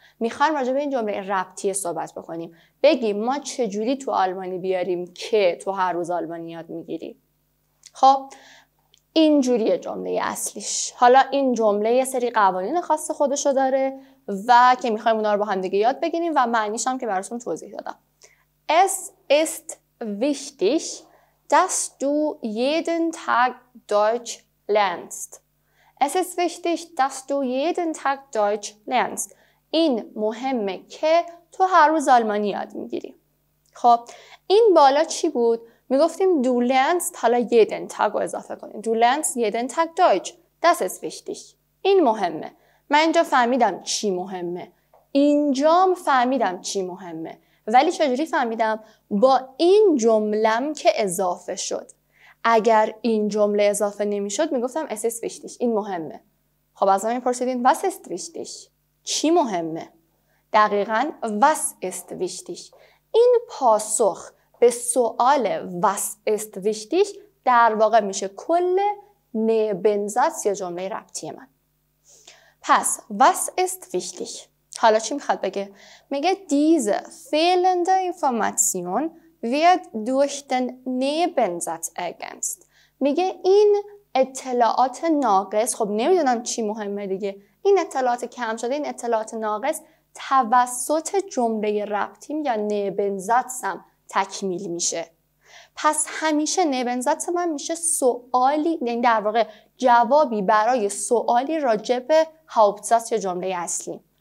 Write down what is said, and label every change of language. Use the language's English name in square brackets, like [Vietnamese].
[Persian] میخوام راجع به این جمله ربطی صحبت بکنیم. بگیم ما چجوری تو آلمانی بیاریم که تو هر روز آلمانی یاد میگیری. خب این جوریه جمله اصلیش. حالا این جمله یه سری قوانین خاص خودشو داره و که میخوایم اونا رو با هم دیگه یاد بگیریم و معنیش هم که براتون توضیح دادم. [German] Es ist wichtig dass du jeden Tag Deutsch lernst. Es ist wichtig, dass du jeden Tag Deutsch lernst. [Persian] این مهمه که تو هر روز آلمانی یاد میگیری. خب این بالا چی بود؟ میگفتیم [German] du lernst، [Persian] حالا [German] jeden Tag [Persian] رو اضافه کنیم. [German] Du lernst jeden Tag Deutsch. Das ist wichtig. [Persian] این مهمه. من اینجا فهمیدم چی مهمه. اینجام فهمیدم چی مهمه. ولی چجوری فهمیدم؟ با این جملم که اضافه شد. اگر این جمله اضافه نمی شد می گفتم [German] es ist wichtig، [Persian] این مهمه. خب از همین پرسیدین [German] was ist wichtig، [Persian] چی مهمه؟ دقیقا was ist wichtig. این پاسخ به سؤال [German] was ist wichtig [Persian] در واقع میشه کل نبنزاتس یا جمله ربطی من. پس [German] was ist wichtig؟ [Persian] حالا چی میخواد بگه؟ میگه [German] diese fehlende information wird durch den Nebensatz ergänzt. [Persian] میگه این اطلاعات ناقص، خب نمیدونم چی مهمه دیگه، این اطلاعات کم شده، این اطلاعات ناقص توسط جمله ربطیم یا نبنزاتسم تکمیل میشه. پس همیشه نبنزت من میشه سوالی، یعنی در واقع جوابی برای سوالی راجب هاوبتزت یا جمله اصلی.